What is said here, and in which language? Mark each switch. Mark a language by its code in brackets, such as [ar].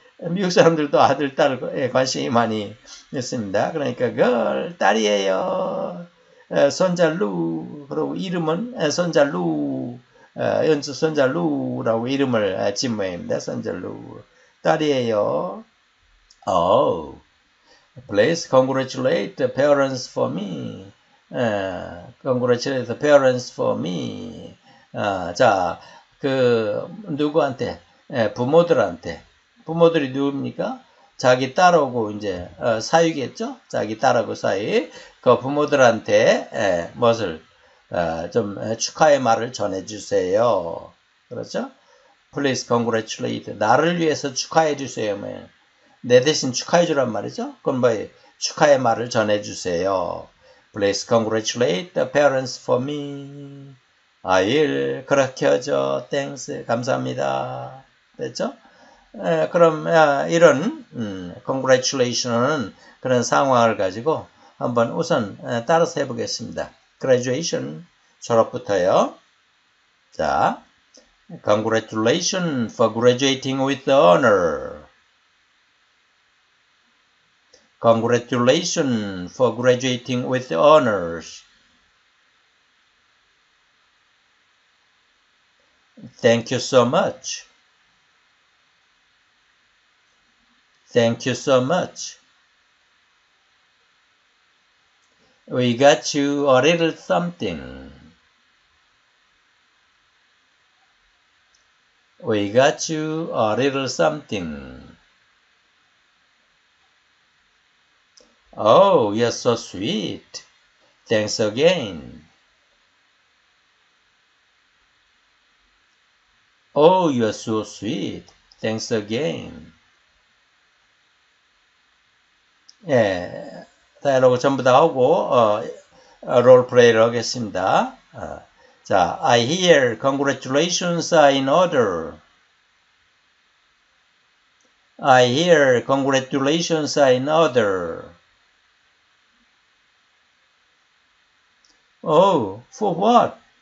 [ko] 미국 사람들도 아들, 딸에 관심이 많이 있습니다. 그러니까, girl, 딸이에요. 손자 루, 그리고 이름은 손자 루, 연주 손자 루라고 이름을 지은 모양입니다. 손자 루, 딸이에요. [en] Oh, please congratulate the parents for me. Congratulate the parents for me. [ko] 자, 누구한테? 부모들한테. 부모들이 누굽니까? 자기 딸하고 이제 사위겠죠? 자기 딸하고 사위 그 부모들한테 좀 축하의 말을 전해주세요. 그렇죠? [en] Please congratulate [ko] 나를 위해서 축하해주세요. 내 대신 축하해주란 말이죠? 그럼 뭐 축하의 말을 전해주세요. [en] Please congratulate the parents for me. I'll [ko] 그렇게 하죠. [en] Thanks. [ko] 감사합니다. 됐죠? 그럼 이런 congratulation은 그런 상황을 가지고 한번 우선 따라서 해보겠습니다. Graduation 졸업부터요. [en] 자, congratulation for graduating with honor. Congratulation for graduating with honors. Thank you so much. Thank you so much. We got you a little something. We got you a little something. Oh, you're so sweet. Thanks again. Oh, you're so sweet. Thanks again. [ko] 예, 다이아로그 전부 다 하고 롤 플레이를 하겠습니다. [en] 자, I hear congratulations are in order. I hear congratulations are in order. Oh, for what?